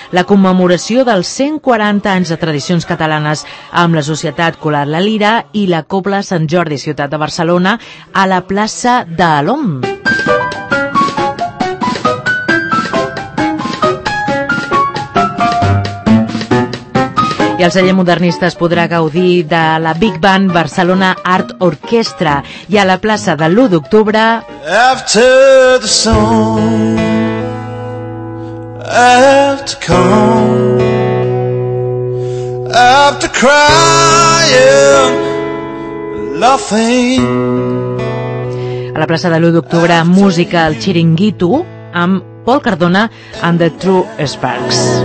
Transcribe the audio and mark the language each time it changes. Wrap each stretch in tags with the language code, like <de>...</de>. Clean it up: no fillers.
<ca>La commemoració dels 140 anys de tradicions catalanes amb la Societat Coral La Lira i la Cobla Sant Jordi Ciutat de Barcelona a la plaça de l'Om. I el celler modernista es podrà gaudir de la Big Band Barcelona Art Orchestra i a la plaça de l'1 d'octubre...</ca> <en>After the song, after calm, after crying, laughing...</en> <ca>A la plaça de l'1 d'octubre, música El Chiringuito amb Pol Cardona and the True Sparks.</ca>